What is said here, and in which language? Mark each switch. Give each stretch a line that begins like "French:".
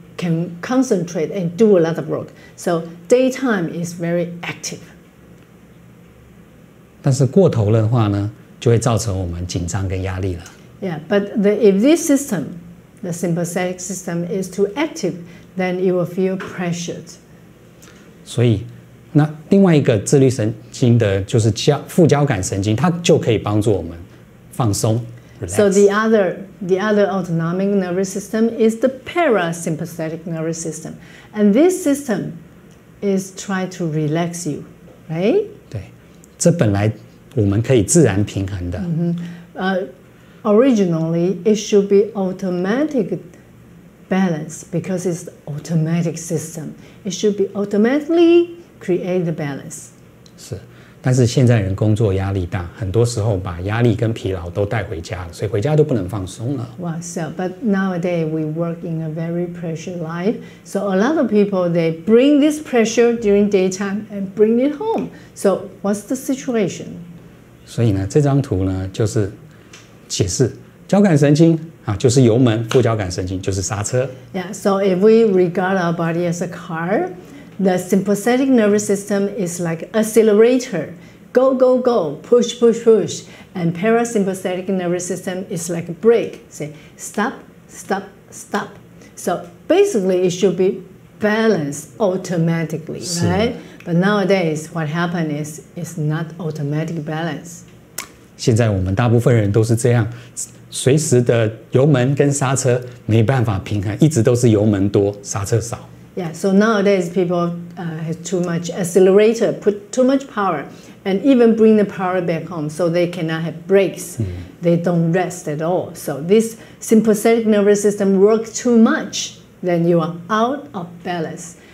English: Can concentrate and do a lot of work. So daytime is very active.
Chinese: 但是过头的话呢，就会造成我们紧张跟压力了。
English: Yeah, but if this system, the sympathetic system, is too active, then you will feel pressured.
Chinese: 所以，那另外一个自律神经的就是副交感神经，它就可以帮助我们放松。
English: So the other autonomic nervous system is the parasympathetic nervous system. And this system is trying to relax you, right?
Chinese: 对，这本来我们可以自然平衡的。
English: Originally, it should be automatic balance because it's the automatic system. It should be automatically create the balance.
Chinese: 是，但是现在人工作压力大，很多时候把压力跟疲劳都带回家了，所以回家都不能放松了。
English: Wow, so, but nowadays we work in a very pressure life. So a lot of people, they bring this pressure during daytime and bring it home. So what's the situation?
Chinese: 所以呢，这张图呢，就是解释交感神经啊，就是油门，副交感神经就是刹车。
English: Yeah, so if we regard our body as a car,The sympathetic nervous system is like accelerator. Go, go, go. Push, push, push. And parasympathetic nervous system is like a brake. Say, stop, stop, stop. So basically, it should be balanced automatically, right? But nowadays, what happens is, it's not automatic balance.
Chinese: 现在我们大部分人都是这样，随时的油门跟刹车没办法平衡，一直都是油门多，刹车少。
English: Yeah, so nowadays people have too much accelerator, put too much power, and even bring the power back home, so they cannot have brakes. They don't rest at all. So this sympathetic nervous system works too much, then you are out of balance.